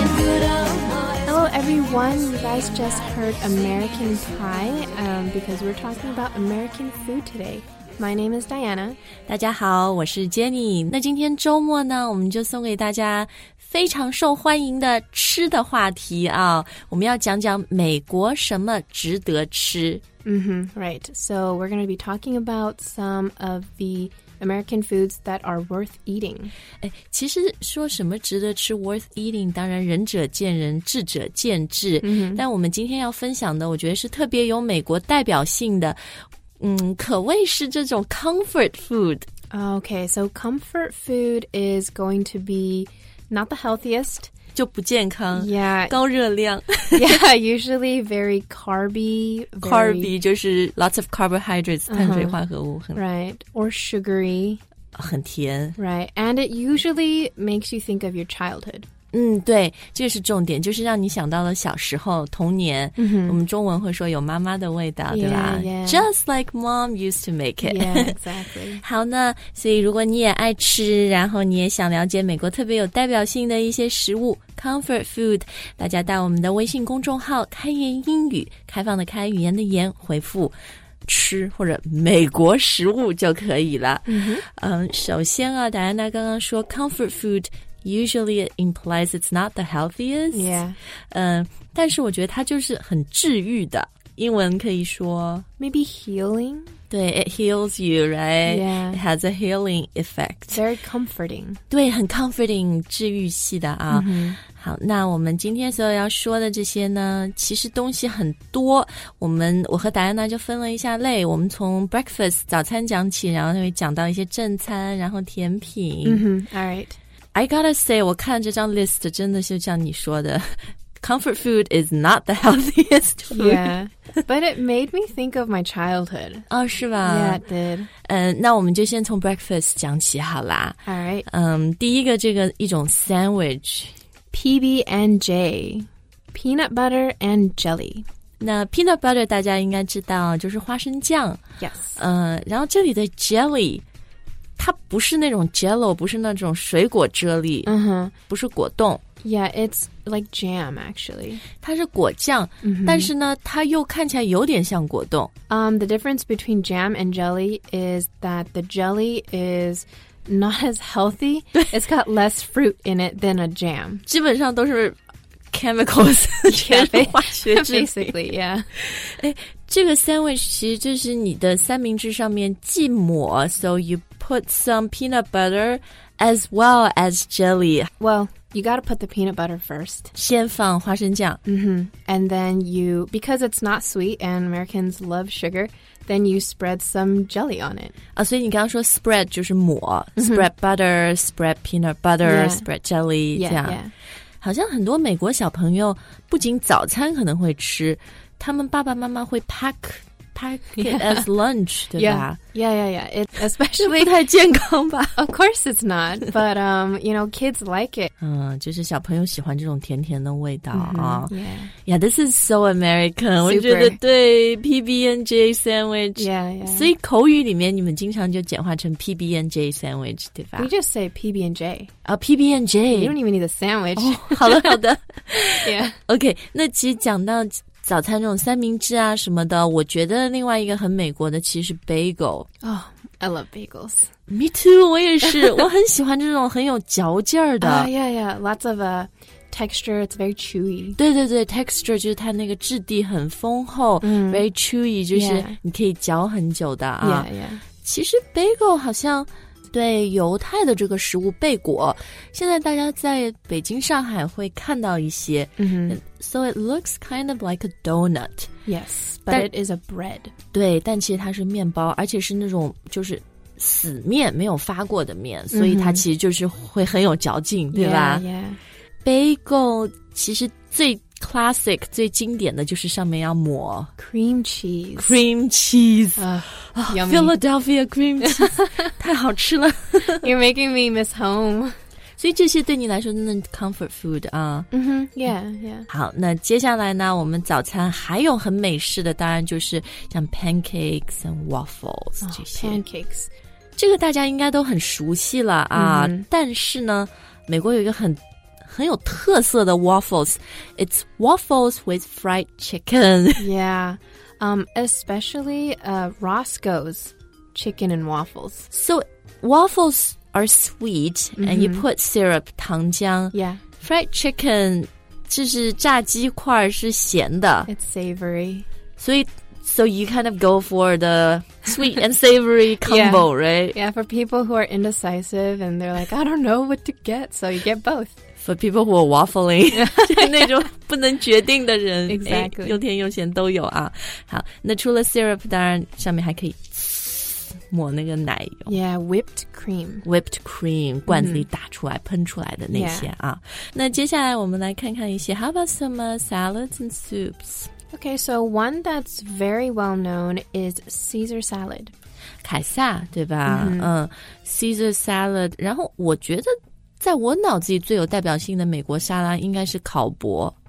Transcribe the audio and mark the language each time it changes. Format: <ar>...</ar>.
<en>Hello everyone, you guys just heard American Pie, because we're talking about American food today. My name is Diana.</en> <zh>大家好，我是 Jenny。那今天周末呢，我们就送给大家非常受欢迎的吃的话题啊，我们要讲讲美国什么值得吃。</zh> <en>Mm-hmm, right. So we're going to be talking about some of the American foods that are worth eating.</en> <zh>哎，其实说什么值得吃</zh> <en>worth eating,</en> <zh>当然仁者见仁，智者见智。 Mm-hmm. 但我们今天要分享的，我觉得是特别有美国代表性的，可谓是这种 comfort food.</zh> <en>Okay, so comfort food is going to be not the healthiest.</en> <zh>就不健康</zh> <en>yeah,</en> <zh>高热量</zh> <en>Yeah, usually very carby Carby</en> <zh>就是</zh> <en>lots of carbohydrates</en> <zh>碳水化合物</zh> <en>Right, or sugary</en> <zh>很甜</zh> <en>Right, and it usually makes you think of your childhood</en> <zh>对这是重点就是让你想到了小时候童年、 mm-hmm. 我们中文会说有妈妈的味道</zh> <en>yeah,</en> <zh>对吧、</zh> <en>yeah. Just like mom used to make it Yeah, exactly</en> <zh>好那所以如果你也爱吃然后你也想了解美国特别有代表性的一些食物Comfort food, 大家到我们的微信公众号开言英语开放的开语言的言回复吃或者美国食物就可以了。 Mm-hmm. 首先啊戴安娜刚刚说</zh> <en>comfort food usually implies it's not the healthiest. Yeah.</en> <zh>但是我觉得它就是很治愈的。英文可以说</zh> <en>Maybe healing?</en> <zh>对</zh> <en>it heals you, right? Yeah. It has a healing effect. Very comforting.</en> <zh>对很 comforting, 治愈系的啊。 Mm-hmm. 好那我们今天所有要说的这些呢其实东西很多。我和戴安娜就分了一下类我们从 breakfast, 早餐讲起然后会讲到一些正餐然后甜品。</zh> <en>Mm-hmm. All right. I gotta say,</en> <zh>我看这张 list 真的就像你说的。</zh> <en>Comfort food is not the healthiest food. Yeah, but it made me think of my childhood. Oh,</en> <zh>是吧?</zh> <en>Yeah, it did.</en> <zh>那我们就先从 breakfast 讲起好啦。</zh> <en>All right.</en> <zh>第一个这个一种 sandwich.</zh> <en>PB&J, peanut butter and jelly.</en> <zh>那 peanut butter 大家应该知道就是花生酱。</zh> <en>Yes.</en> <zh>然后这里的 jelly... 它不是那种 jello, 不是那种水果啫喱、 uh-huh. 不是果冻。</zh> <en>Yeah, it's like jam, actually.</en> <zh>它是果酱、 mm-hmm. 但是呢它又看起来有点像果冻。</zh> <en>The difference between jam and jelly is that the jelly is not as healthy. It's got less fruit in it than a jam.</en> <zh>基本上都是 chemicals, 全是化学制品。</zh> <en>Basically, yeah.</en> <zh>这个 sandwich 其实就是你的三明治上面寄抹</zh> <en>so you put some peanut butter as well as jelly. Well, you gotta put the peanut butter first.</en> <zh>先放花生酱。 Mm-hmm.</zh> <en>And then you, because it's not sweet and Americans love sugar, then you spread some jelly on it.</en> <zh>所以你刚刚说 spread 就是抹</zh> <en>spread butter, spread peanut butter,、 yeah. spread jelly,</en> <zh>这样。</zh> <en>Yeah, yeah.</en> <zh>好像很多美国小朋友不仅早餐可能会吃他们爸爸妈妈会</zh> <en>pack it、 yeah. as lunch,</en> <zh>对吧</zh> <en>yeah. yeah, yeah, yeah. It especially</en> <zh>不太健康吧</zh> <en>Of course it's not, but, you know, kids like it.</en> <zh>就是小朋友喜欢这种甜甜的味道、 mm-hmm. 啊。</zh> <en>Yeah. yeah, this is so American.、 Super.</en> <zh>我觉得对 PB&J sandwich.</zh> <en>Yeah, yeah.</en> <zh>所以口语里面你们经常就简化成 PB&J sandwich, 对吧</zh> <en>We just say PB&J. PB&J. You don't even need a sandwich.、 Oh,</en> <zh>好的好的。</zh> <en>yeah.</en> <zh>Okay, 那其实讲到早餐这种三明治啊什么的我觉得另外一个很美国的其实是 bagel</zh> <en>Oh, I love bagels Me too,</en> <zh>我也是我很喜欢这种很有嚼劲儿的、</zh> <en>yeah, yeah, lots of texture, it's very chewy</en> <zh>对对对 texture 就是它那个质地很丰厚、</zh> <en>very chewy</en> <zh>就是你可以嚼很久的啊</zh> <en>yeah, yeah.</en> <zh>其实 bagel 好像对犹太的这个食物贝果现在大家在北京上海会看到一些、 mm-hmm.</zh> <en>So it looks kind of like a donut Yes, but it is a bread</en> <zh>对但其实它是面包而且是那种就是死面没有发过的面、mm-hmm. 所以它其实就是会很有嚼劲对吧</zh> <en>yeah, yeah.</en> <zh>Bagel 其实最 classic 最经典的就是上面要抹</zh> <en>Cream cheese Yummy. Philadelphia cream cheese</en> <zh>太好吃了</zh> <en>You're making me miss home</en> <zh>所以这些对你来说真的 comfort food 啊、</zh> <en>Yeah, yeah</en> <zh>好那接下来呢我们早餐还有很美式的当然就是像 pancakes and waffles、</zh> <en>oh, pancakes</en> <zh>这个大家应该都很熟悉了啊、嗯、但是呢美国有一个很有特色的</zh> <en>waffles, it's waffles with fried chicken. Yeah, especially Roscoe's chicken and waffles. So waffles are sweet and、mm-hmm. you put syrup,</en> <zh>糖浆</zh> <en>Yeah. Fried chicken,</en> <zh>就是炸鸡块是咸的</zh> <en>It's savory. So you kind of go for the sweet and savory combo, yeah. right? Yeah, for people who are indecisive and they're like, I don't know what to get, so you get both. For people who are waffling,</en> <zh>那种不能决定的人</zh> <en>exactly.</en> <zh>哎, 又甜又咸都有啊。好,那除了 syrup, 当然上面还可以抹那个奶油。</zh> <en>Yeah, whipped cream. Whipped cream,</en> <zh>罐子里打出来,喷出来的那些啊。</zh> <en>Yeah.</en> <zh>那接下来我们来看看一些</zh> <en>How about some salads and soups? Okay, so one that's very well known is Caesar salad.</en> <zh>凯撒,对吧?Mm-hmm.</zh> <en>Caesar salad,</en> <zh>然后我觉得在我脑子里最有代表性的美国沙拉应该是烤博。</zh>